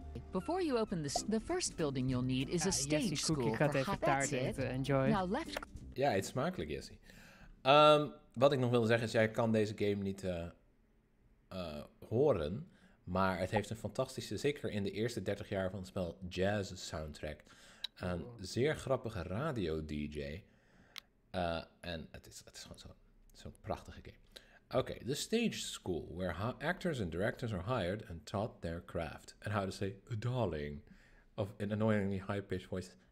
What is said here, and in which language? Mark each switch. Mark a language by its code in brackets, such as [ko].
[en] Before you open the first building you'll need is a stage Jesse, school. [nl] Ik ga even taart eten. [en] Enjoy. Now left. [nl] Ja, het is smakelijk, Jesse. Wat ik nog wilde zeggen is, jij kan deze game niet horen, maar het heeft een fantastische, zeker in de eerste 30 jaar van het spel, jazz soundtrack. Een zeer grappige radio DJ. En het is gewoon zo'n prachtige game. [en] Okay, the stage school, where actors and directors are hired and taught their craft. And how to say, darling, of an annoyingly high-pitched voice.